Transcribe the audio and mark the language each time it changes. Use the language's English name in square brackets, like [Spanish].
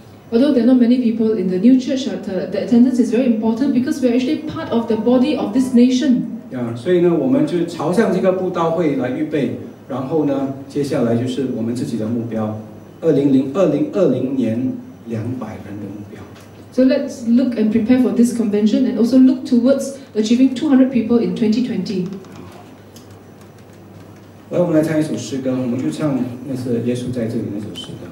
[English] Although there are not many people in the new church, the attendance is very important because we are actually part of the body of this nation. [Chinese] Yeah, 所以呢，我们就朝向这个布道会来预备，然后呢，接下来就是我们自己的目标，2020年200人的目标。 [English] So let's look and prepare for this convention, and also look towards achieving 200 people in 2020. [Chinese] 来，我们来唱一首诗歌，我们就唱那是耶稣在这里那首诗。